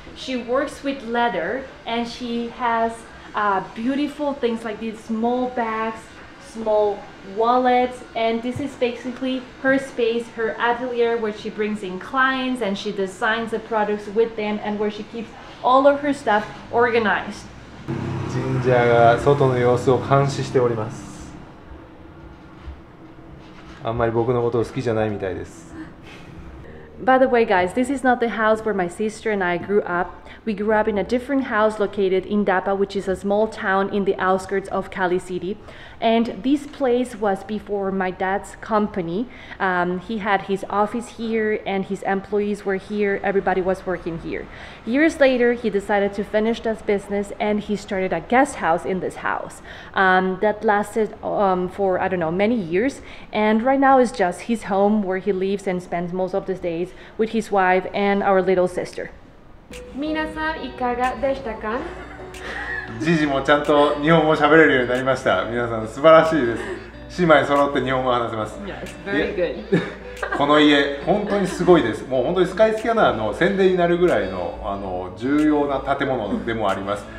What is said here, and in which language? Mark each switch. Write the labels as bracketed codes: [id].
[en] She works with leather and she has beautiful things like these small bags,small wallets, and this is basically her space, her atelier, where she brings in clients and she designs the products with them and where she keeps all of her stuff organized. [ja] 神社が外の様子を監視しております。あんまり僕のことを好きじゃないみたいです。 [en] By the way, guys, this is not the house where my sister and I grew up. We grew up in a different house located in Dapa, which is a small town in the outskirts of Cali City. And this place was before my dad's company. He had his office here and his employees were here. Everybody was working here. Years later, he decided to finish this business and he started a guest house in this house. That lasted for, I don't know, many years. And right now it's just his home where he lives and spends most of his days. With his wife and our little sister. [ja] 皆さんいかがでしたか？ジジもちゃんと日本語喋れるようになりました。皆さん素晴らしいです。姉妹揃って日本語を話せます。 [en] Yes, very good. [ja] この家、本当にすごいです。もう本当にスカイスキャナーの宣伝になるぐらい の, あの重要な建物でもあります。